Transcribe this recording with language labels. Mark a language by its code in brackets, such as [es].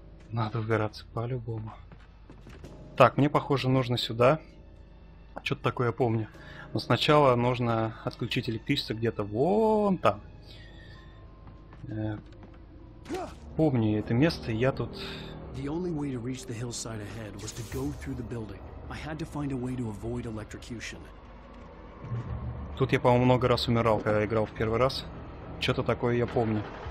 [ru] Надо выбираться по-любому. Так, мне похоже нужно сюда. Что-то такое я помню. Но сначала нужно отключить электричество где-то вон там. Помню это место, я тут... [en] The only way to reach the hillside ahead was to go through the building. I had to find a way to avoid electrocution. [ru] Тут я, по-моему, много раз умирал, когда играл в первый раз. Что-то такое я помню.